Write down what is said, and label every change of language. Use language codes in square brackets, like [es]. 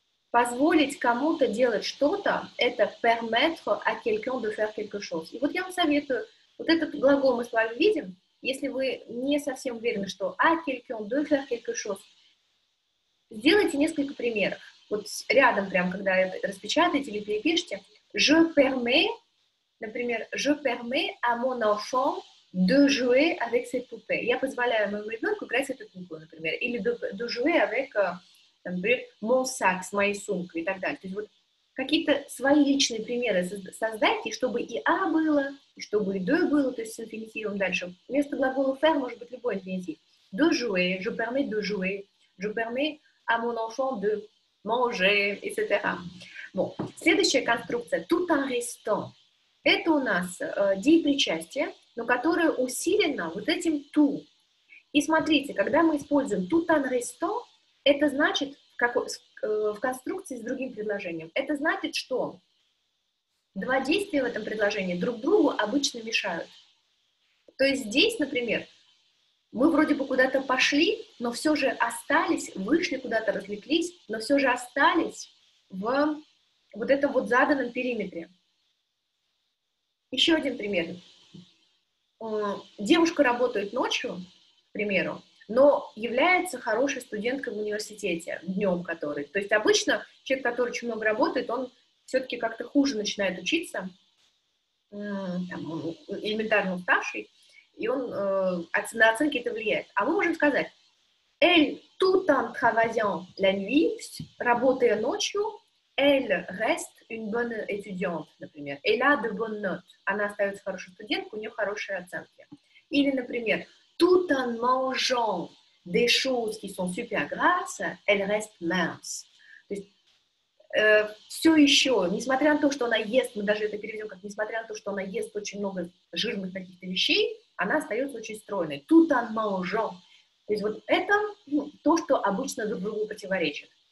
[ru] Позволить кому-то делать что-то, это [fr] permettre à quelqu'un de faire quelque chose. [ru] И вот я вам советую, вот этот глагол мы с вами видим, если вы не совсем уверены, что [fr] à quelqu'un de faire quelque chose, [ru] сделайте несколько примеров. Вот рядом прям, когда распечатаете или перепишите, [fr] je permets, [ru] например, [fr] je permets à mon enfant de jouer avec ses poupées. [ru] Я позволяю моему ребенку играть с этой куклой, например. Или [fr] de jouer avec, [ru] например, [fr] mon sac, [ru] с моей сумкой и так далее. То есть вот какие-то свои личные примеры создайте, чтобы и а было, и чтобы и de было, то есть с инфинитивом дальше. Вместо глагола faire может быть любой инфинитив. [fr] De jouer, je permets de jouer, je permets à mon enfant de manger, etc. Bon. [ru] Следующая конструкция, [fr] tout en restant. [ru] Это у нас деепричастие, но которое усилено вот этим to. И смотрите, когда мы используем [fr] tout en restant, [ru] это значит, в конструкции с другим предложением, это значит, что два действия в этом предложении друг другу обычно мешают. То есть здесь, например, мы вроде бы куда-то пошли, но все же остались, вышли куда-то, развлеклись, но все же остались в вот этом вот заданном периметре. Еще один пример. Девушка работает ночью, к примеру, но является хорошей студенткой в университете, днем который. То есть обычно человек, который очень много работает, он все-таки как-то хуже начинает учиться, там, элементарно уставший. И он на оценки это влияет. А мы можем сказать [fr] «Elle tout en travaillant la nuit, [ru] работая ночью, [fr] elle reste une bonne étudiante», [ru] например. [fr] «Elle a de bonnes notes». [ru] Она остается хорошей студенткой, у нее хорошие оценки. Или, например, [fr] «Tout en mangeant des choses qui sont super grasses, elle reste mince». [ru] То есть все еще, несмотря на то, что она ест, мы даже это переведем как «несмотря на то, что она ест очень много жирных каких-то вещей», она остается очень стройной. [fr] Tout en mangeant. [ru] То есть вот это, ну, то, что обычно друг другу противоречит.